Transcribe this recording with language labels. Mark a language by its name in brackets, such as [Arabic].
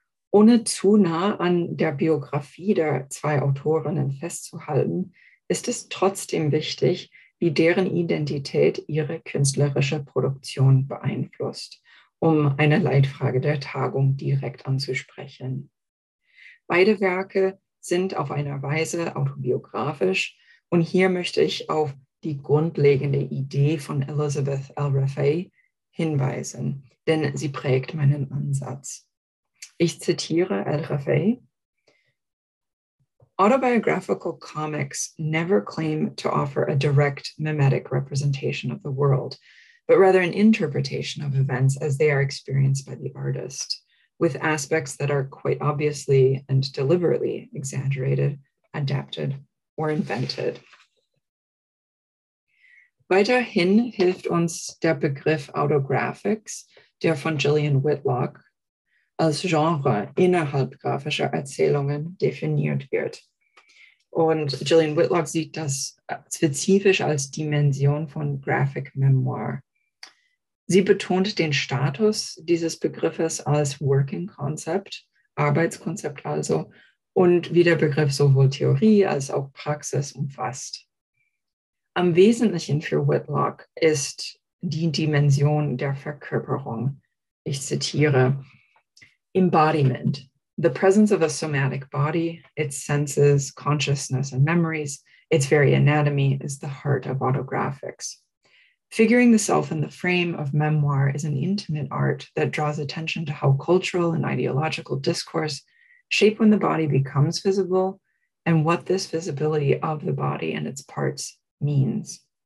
[German] Ohne zu nah an der Biografie der zwei Autorinnen festzuhalten, ist es trotzdem wichtig, wie deren Identität ihre künstlerische Produktion beeinflusst, um eine Leitfrage der Tagung direkt anzusprechen. Beide Werke sind auf einer Weise autobiografisch und hier möchte ich auf die grundlegende Idee von Elizabeth Al-Raffay hinweisen, denn sie prägt meinen Ansatz. Ich zitiere [English] Al-Raffay: "Autobiographical comics never claim to offer a direct mimetic representation of the world, but rather an interpretation of events as they are experienced by the artist, with aspects that are quite obviously and deliberately exaggerated, adapted, or invented." [German] Weiterhin hilft uns der Begriff Autographics, der von Gillian Whitlock als Genre innerhalb grafischer Erzählungen definiert wird. Und Gillian Whitlock sieht das spezifisch als Dimension von Graphic Memoir. Sie betont den Status dieses Begriffes als Working Concept, Arbeitskonzept also, und wie der Begriff sowohl Theorie als auch Praxis umfasst. Am Wesentlichen für Whitlock ist die Dimension der Verkörperung. Ich zitiere: [English] "Embodiment, the presence of a somatic body, its senses, consciousness and memories, its very anatomy is the heart of autographics. Figuring the self in the frame of memoir is an intimate art that draws attention to how cultural and ideological discourse shape when the body becomes visible and what this visibility of the body and its parts means."